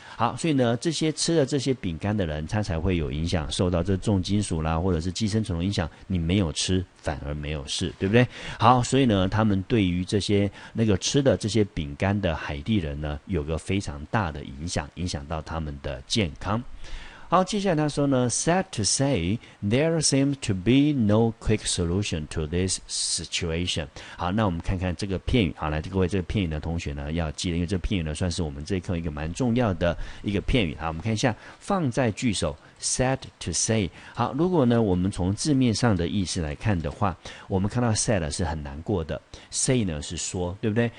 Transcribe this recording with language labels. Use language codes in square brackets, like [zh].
[zh] 好，所以呢这些吃了这些饼干的人，他才会有影响，受到这重金属啦或者是寄生虫的影响，你没有吃反而没有事，对不对？好，所以呢他们对于这些那个吃的这些饼干的海地人呢有个非常大的影响，影响到他们的健康。好，接下来他说呢 [en] sad to say there seems to be no quick solution to this situation。 [zh] 好，那我们看看这个片语。好，来各位这个片语的同学呢要记得，因为这个片语呢算是我们这一课一个蛮重要的一个片语。好，我们看一下放在句首 [en] sad to say。 [zh] 好，如果呢我们从字面上的意思来看的话，我们看到 sad 是很难过的， say 呢是说，对不对？